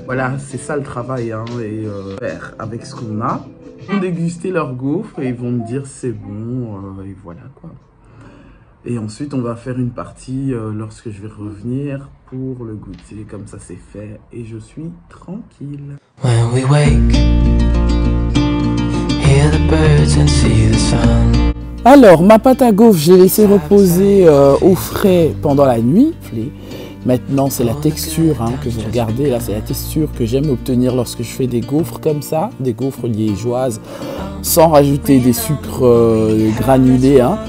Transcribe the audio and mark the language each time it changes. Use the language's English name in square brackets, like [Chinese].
[French] Voilà, c'est ça le travail, hein, et faire avec ce qu'on a. Ils vont déguster leurs gaufres et ils vont me dire c'est bon, et voilà quoi. Et ensuite, on va faire une partie lorsque je vais revenir pour le goûter. Comme ça, c'est fait et je suis tranquille. [English] When we wake, hear the birds and see the sun. [French] Alors, ma pâte à gaufres, j'ai laissé reposer au frais pendant la nuit. Maintenant, c'est la texture hein, que vous regardez. Là, c'est la texture que j'aime obtenir lorsque je fais des gaufres comme ça, des gaufres liégeoises, sans rajouter des sucres granulés. Hein.